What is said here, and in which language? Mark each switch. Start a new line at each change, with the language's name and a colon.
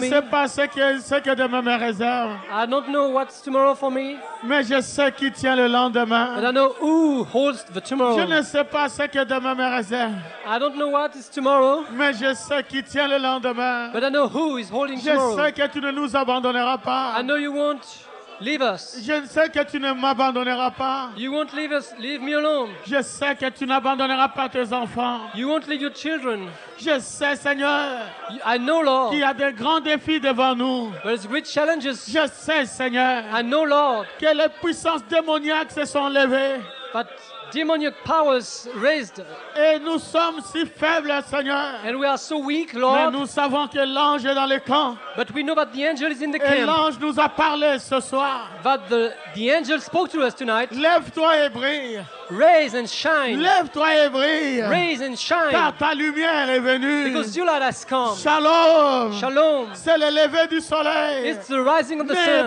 French: Je ne sais pas ce que demain me réserve.
English: I don't know what's tomorrow for me.
French: Mais je sais qui tient le lendemain.
English: But I know who holds the tomorrow.
French: Je ne sais pas ce que demain me réserve.
English: I don't know what is tomorrow.
French: Mais je sais qui tient le lendemain.
English: But I know who is holding
French: je
English: tomorrow.
French: Je sais que tu ne nous abandonneras pas.
English: I know you won't. Leave us.
French: Je sais que tu ne m'abandonneras pas.
English: You won't leave us. Leave me alone.
French: Je sais que tu n'abandonneras pas tes enfants.
English: You won't leave your children.
French: Je sais, Seigneur.
English: I know, Lord.
French: Qu'il y a des grands défis devant nous.
English: There's great challenges.
French: Je sais, Seigneur.
English: I know, Lord.
French: Que les puissances démoniaques se sont levées.
English: But demonic powers raised.
French: Et nous sommes si faibles, Seigneur.
English: And we are so weak, Lord.
French: Mais nous savons que l'ange est dans le camp.
English: But we know that the angel is in the
French: et
English: camp.
French: Et l'ange nous a parlé ce soir.
English: But the angel spoke to us tonight.
French: Lève-toi et brille.
English: Raise and shine.
French: Lève-toi et brille.
English: Raise and shine.
French: Car ta lumière est venue.
English: Because your light has come.
Hebrew: Shalom. Shalom.
French: C'est le lever du soleil.
English: It's the rising of the sun.